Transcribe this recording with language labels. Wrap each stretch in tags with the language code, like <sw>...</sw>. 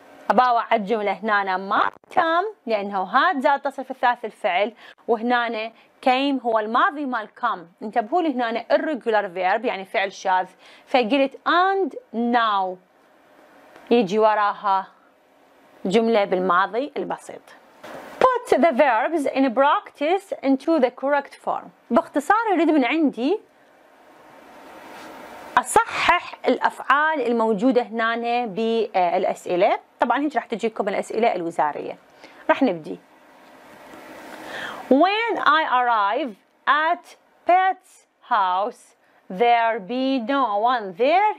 <ar>أباوع الجملة هنا ماضي تام لأنه had زائد تصريف الثالث الفعل وهنا came هو الماضي مال come. انتبهوا لي هنا irregular verb يعني فعل شاذ فقلت</ar> <en>and now</en> <ar>يجي وراها جملة بالماضي البسيط.</ar> <en>put the verbs in practice into the correct form.</en> <ar>باختصار يريد من عندي أصحح الأفعال الموجودة هنا بالأسئلة. طبعا هيك راح تجيكم الأسئلة الوزارية. راح نبدي</ar> <en>When I arrive at Pat's house, there be no one there.</en>